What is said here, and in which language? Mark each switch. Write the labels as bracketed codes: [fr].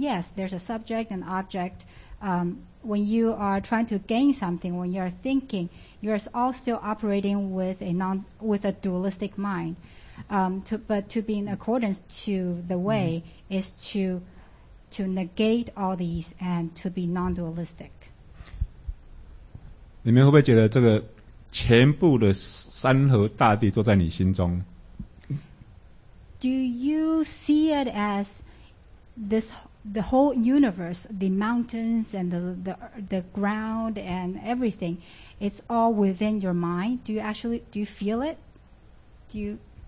[en] Yes, there's a subject and object. When you are trying to gain something, when you are thinking, you're all still operating with a dualistic mind. But to be in accordance to the way is to negate all these and to be non-dualistic. [zh] 你们会不会觉得这个全部的山河大地都在你心中？ [en] Do you see it as this, the whole universe, the mountains and the ground and everything, it's all within your mind? Do you actually, do you feel it? Do you...